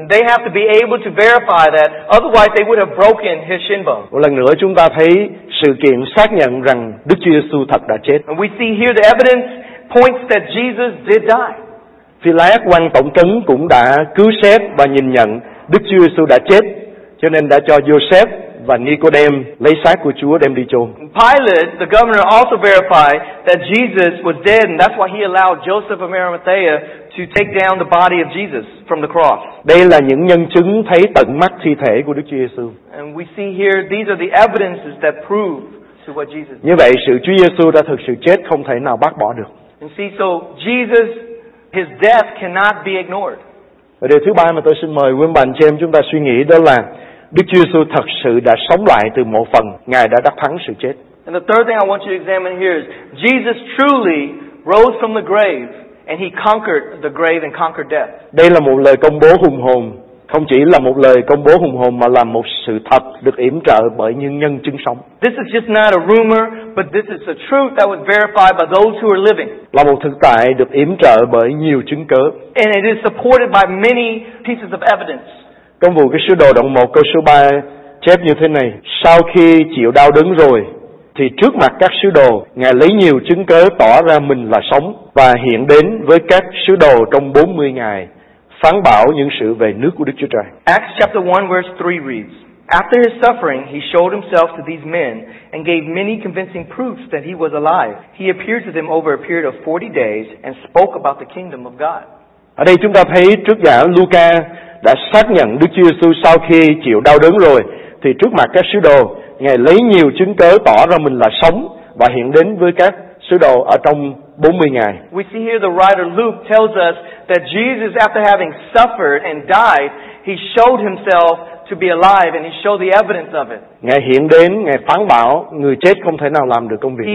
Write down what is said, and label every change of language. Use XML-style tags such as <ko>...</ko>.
<en>They have to be able to verify that, otherwise they would have broken his shin bone.</en> <vi>Một lần nữa chúng ta thấy sự kiện xác nhận rằng Đức Chúa Giêsu thật đã chết.</vi> <en>And we see here the evidence points that Jesus did die.</en> <vi>Phi-la-át quan tổng trấn cũng đã cứu xét và nhìn nhận Đức Chúa Giêsu đã chết, cho nên đã cho Joseph và Nicodem lấy xác của Chúa đem đi chôn.</vi> <en>Pilate, the governor, also verified that Jesus was dead, and that's why he allowed Joseph of Arimathea to take down the body of Jesus from the cross.</en> <vi>Đây là những nhân chứng thấy tận mắt thi thể của Đức Chúa Giêsu.</vi> <en>And we see here these are the evidences that prove to what Jesus.</en> <vi>Như vậy, sự Chúa Giêsu đã thực sự chết không thể nào bác bỏ được.</vi> <en>And see, so Jesus, his death cannot be ignored.</en> <vi>Và điều thứ ba mà tôi xin mời quý ông bà anh chị em chúng ta suy nghĩ đó là Đức Chúa Giêsu thật sự đã sống lại từ mộ phần, Ngài đã đắc thắng sự chết.</vi> <en>And the third thing I want you to examine here is Jesus truly rose from the grave and he conquered the grave and conquered death.</en> <vi>Đây là một lời công bố hùng hồn, không chỉ là một lời công bố hùng hồn mà là một sự thật được yểm trợ bởi những nhân chứng sống.</vi> <en>This is just not a rumor, but this is the truth that was verified by those who are living.</en> <vi>Là một thực tại được yểm trợ bởi nhiều chứng cứ.</vi> <en>And it is supported by many pieces of evidence.</en> <vi>Công vụ cái sứ đồ đoạn 1 câu số 3 chép như thế này: sau khi chịu đau đớn rồi thì trước mặt các sứ đồ Ngài lấy nhiều chứng cớ tỏ ra mình là sống và hiện đến với các sứ đồ trong 40 ngày phán bảo những sự về nước của Đức Chúa Trời.</vi> <en>Acts chapter 1 verse 3 reads: after his suffering he showed himself to these men and gave many convincing proofs that he was alive. He appeared to them over a period of 40 days and spoke about the kingdom of God.</en> <vi>Ở đây chúng ta thấy trước giả Luca đã xác nhận Đức Chúa Giêsu sau khi chịu đau đớn rồi thì trước mặt các sứ đồ Ngài lấy nhiều chứng cớ tỏ ra mình là sống và hiện đến với các sứ đồ ở trong 40 ngày.</vi> <en>We see here the writer Luke tells us that Jesus, after having suffered and died, he showed himself to be alive and he showed the evidence of it.</en> <vi>Ngài hiện đến, ngài phán bảo người chết không thể nào làm được công việc này.</vi>